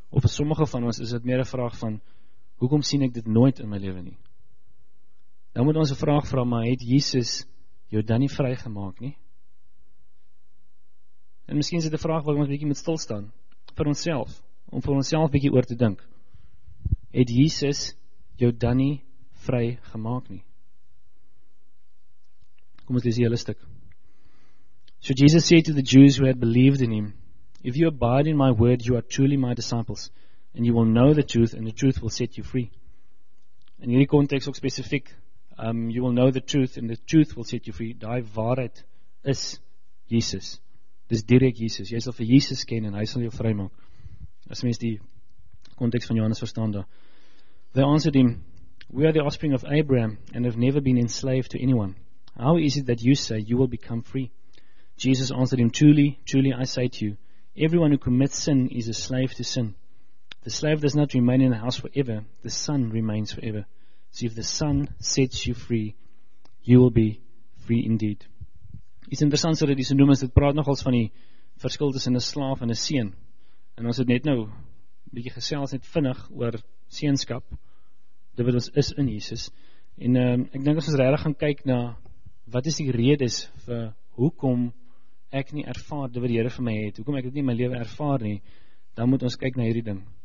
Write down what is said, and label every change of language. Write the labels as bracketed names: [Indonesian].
[Afrikaans] Of vir sommige van ons is dit meer 'n vraag van, hoekom sien ek dit nooit in my lewe nie? Dan moet ons 'n vraag vra, maar het Jesus jou dan nie vry gemaak nie? En miskien is dit 'n vraag waar ons bietjie moet stilstaan vir onsself, om vir onsself bietjie oor te dink. Het Jesus jou dan nie vry gemaak nie? Kom ons lees die hele stuk. [English] So Jesus said to the Jews who had believed in him, if you abide in my word, you are truly my disciples, and you will know the truth, and the truth will set you free. [Afrikaans] In hierdie konteks ook spesifiek, [English] you will know the truth, and the truth will set you free. [Afrikaans] Daai waarheid is Jesus. Dis direk Jesus. Jy sal vir Jesus ken, en hy sal jou vry maak. As mens die konteks van Johannes verstaan daar. [English] They answered him, we are the offspring of Abraham, and have never been enslaved to anyone. How is it that you say you will become free? Jesus answered him, truly, truly I say to you, everyone who commits sin is a slave to sin. The slave does not remain in the house forever, the son remains forever. So if the son sets you free, you will be free indeed. [Afrikaans] Iets interessants wat hierdie noem is, dit praat nogals van die verskil tussen 'n slaaf en 'n seun. En ons het net nou bietjie gesels net vinnig oor seenskap, dit wat ons is in Jesus. En ek dink as ons regtig gaan kyk na wat is die redes vir hoekom ek nie ervaar wat die Here vir my het, hoekom ek dit nie in my lewe ervaar nie, dan moet ons kyk na hierdie ding.